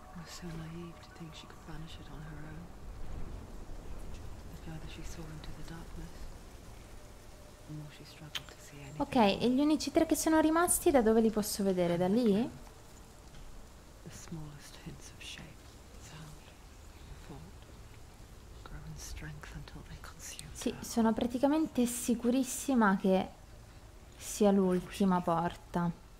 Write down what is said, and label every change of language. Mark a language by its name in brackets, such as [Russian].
[English] So naive to think she could banish it on her own. The further she saw into the darkness, the more she struggled to see anything. [Italian] Ok, e gli unici tre che sono rimasti da dove li posso vedere? Da lì? [English] The smallest hints of shape, sound, thought, grow in strength until they consume. [Italian] Sì, sono praticamente sicurissima che sia l'ultima porta.